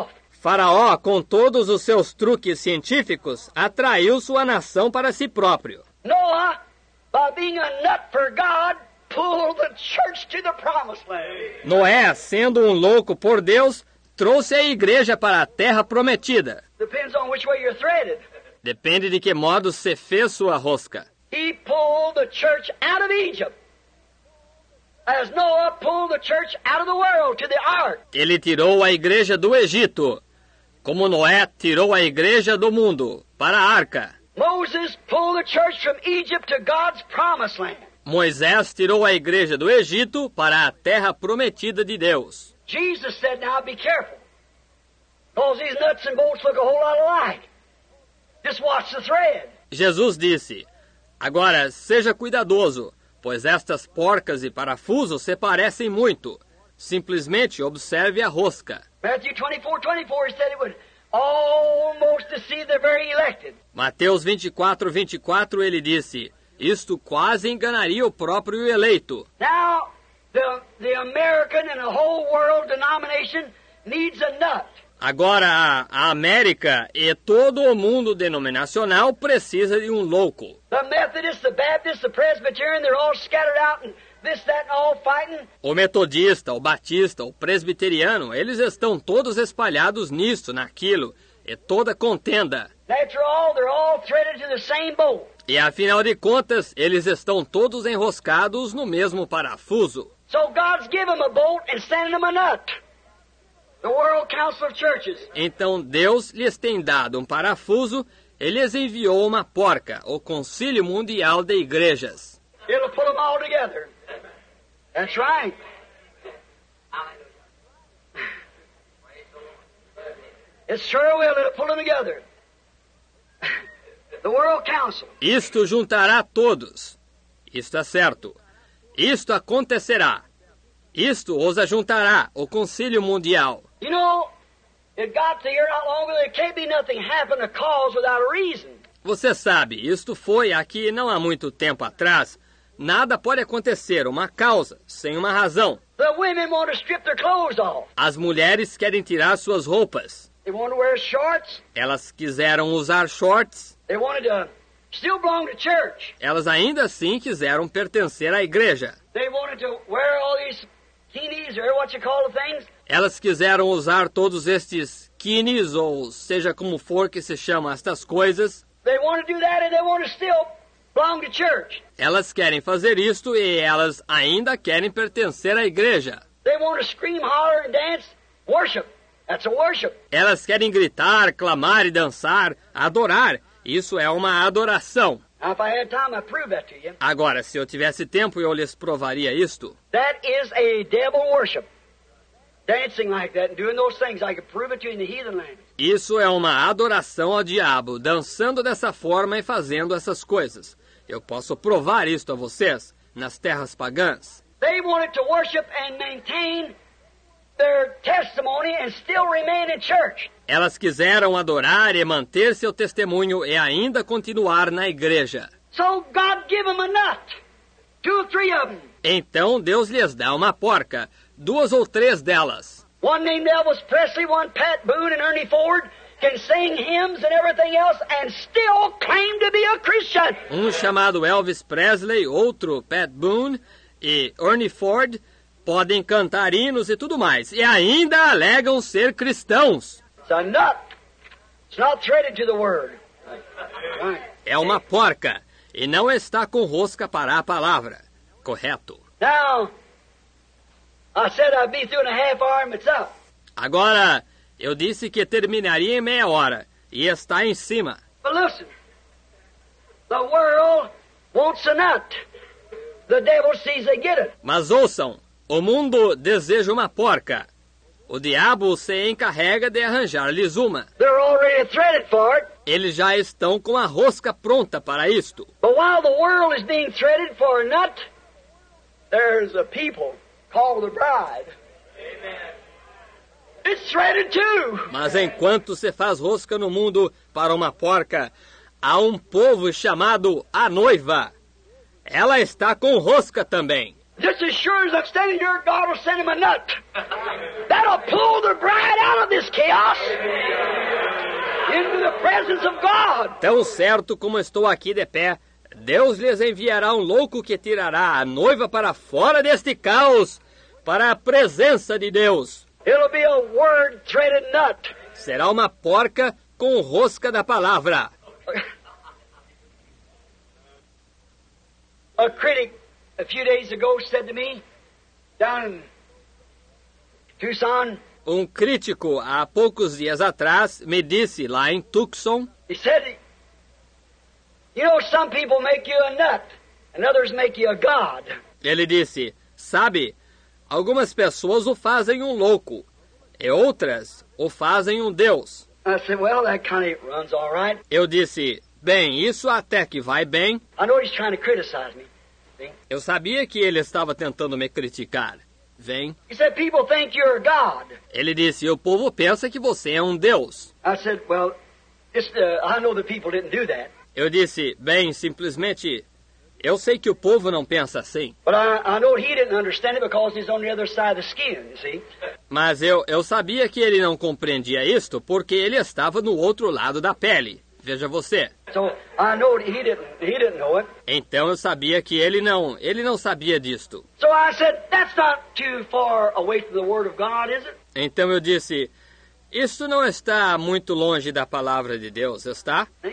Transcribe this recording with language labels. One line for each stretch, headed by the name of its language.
Portuguese: Faraó, com todos os seus truques científicos, atraiu sua nação para si próprio.
English: Noé, by being a nut for God, pull the church to the promised land.
Portuguese: Noé, sendo um louco por Deus, trouxe a igreja para a terra prometida.
English: Depends on which way you're threaded.
Portuguese: Depende de que modo se fez sua rosca.
English: He pulled the church out of Egypt. As Noah pulled the church out of the world to the ark.
Portuguese: Ele tirou a igreja do Egito, como Noé tirou a igreja do mundo para a arca.
English: Moses pulled the church from Egypt to God's promised land.
Portuguese: Moisés tirou a igreja do Egito para a terra prometida de Deus.
English: Jesus said, "Now be careful, because these nuts and bolts look a whole lot alike. Just watch the thread."
Portuguese: Jesus disse: "Agora seja cuidadoso, pois estas porcas e parafusos se parecem muito. Simplesmente observe a rosca."
English: Matthew 24:24 said it would almost deceive the very elected.
Portuguese: Mateus 24:24 ele disse. Isto quase enganaria o próprio eleito.
English: Now, the American and the whole world denomination needs a nut.
Portuguese: Agora, a América e todo o mundo denominacional precisa de um louco.
English: The Methodist, the Baptist, the Presbyterian, they're all scattered out and this, that and all fighting.
Portuguese: O metodista, o batista, o presbiteriano, eles estão todos espalhados nisto, naquilo, e toda contenda.
English: After all, they're all threaded to the same bolt.
Portuguese: E afinal de contas, eles estão todos enroscados no mesmo parafuso.
English: So God's given them a bolt and sending them a nut. The World Council of Churches.
Portuguese: Então Deus lhes tem dado um parafuso, ele lhes enviou uma porca, o Concílio Mundial de Igrejas.
English: It'll pull them all together. That's right. It sure will, it'll pull them together. The World Council.
Portuguese: Isto juntará todos. Isto é certo. Isto acontecerá. Isto os ajuntará, o Concílio Mundial.
English: You know, it got to here not long ago. There can't be nothing happened to cause without a reason.
Portuguese: Você sabe, isto foi aqui não há muito tempo atrás. Nada pode acontecer, uma causa, sem uma razão.
English: The women want to strip their clothes off.
Portuguese: As mulheres querem tirar suas roupas.
English: They want to wear shorts.
Portuguese: Elas quiseram usar shorts.
English: They wanted to still belong to church.
Portuguese: Elas ainda assim quiseram pertencer à igreja.
English: They wanted to wear all these bikinis or what you call the things.
Portuguese: Elas quiseram usar todos estes kinis, ou seja como for que se chama estas coisas.
English: They want to do that and they want to still belong to church.
Portuguese: Elas querem fazer isto e elas ainda querem pertencer à igreja.
English: They want to scream, holler and dance, worship. That's a worship.
Portuguese: Elas querem gritar, clamar e dançar, adorar. Isso é uma adoração.
English: Now, if I had time, I'd prove that to you.
Portuguese: Agora, se eu tivesse tempo, eu lhes provaria isto.
English: That is a devil worship. Dancing like that and doing those things, I could prove it to you in the heathen land.
Portuguese: Isso é uma adoração ao diabo, dançando dessa forma e fazendo essas coisas. Eu posso provar isto a vocês nas terras pagãs.
English: They wanted to worship and maintain their testimony and still remain in church.
Portuguese: Elas quiseram adorar e manter seu testemunho e ainda continuar na igreja.
English: So God gave them a nut, two or three of them.
Portuguese: Então Deus lhes dá uma porca, duas ou três delas.
English: One named Elvis Presley, one Pat Boone and Ernie Ford can sing hymns and everything else and still claim to be a Christian.
Portuguese: Um chamado Elvis Presley, outro Pat Boone e Ernie Ford podem cantar hinos e tudo mais, e ainda alegam ser cristãos.
English: It's a nut. It's not threaded to the word.
Portuguese: É uma porca, e não está com rosca para a palavra. Correto.
English: Now, I said I'd be through in a half hour, it's up.
Portuguese: Agora, eu disse que terminaria em meia hora, e está em cima.
English: But listen, the world wants a nut. The devil sees they get it.
Portuguese: Mas ouçam. O mundo deseja uma porca. O diabo se encarrega de arranjar-lhes uma.
English: They're already threaded for it.
Portuguese: Eles já estão com a rosca pronta para isto.
English: But while the world is being threaded for a nut, there's a people called the bride. Amen. It's threaded too.
Portuguese: Mas enquanto se faz rosca no mundo para uma porca, há um povo chamado a noiva. Ela está com rosca também.
English: Just as sure as I'm standing here, God will send him a nut. That'll pull the bride out of this chaos. Into the presence of God.
Portuguese: Tão certo como estou aqui de pé, Deus lhes enviará um louco que tirará a noiva para fora deste caos, para a presença de Deus.
English: It'll be a word-threaded nut.
Portuguese: Será uma porca com rosca da palavra.
English: A critic. A few days ago said to me, down in Tucson.
Portuguese: Um crítico há poucos dias atrás me disse lá em Tucson.
English: He said, you know, some people make you a nut and others make you a god.
Portuguese: Ele disse, sabe, algumas pessoas o fazem um louco e outras o fazem um deus.
English: I said, well, that kind of runs all right.
Portuguese: Eu disse, bem, isso até que vai bem.
English: I know he's trying to criticize me.
Portuguese: Eu sabia que ele estava tentando me criticar. Vem.
English: He said, people think you're a god.
Portuguese: Ele disse, o povo pensa que você é um deus.
English: I said, well, I know the people didn't do that.
Portuguese: Eu disse, bem, simplesmente, eu sei que o povo não pensa assim.
English: But I know he didn't understand it because he's on the other side of the skin, you see?
Portuguese: Mas eu sabia que ele não compreendia isto porque ele estava no outro lado da pele. Veja você.
English: So, I know he didn't know it.
Portuguese: Então eu sabia que ele não sabia disto.
English: So I said, that's not too far away from the word of God, is it?
Portuguese: Então eu disse, Isso não está muito longe da palavra de Deus, está?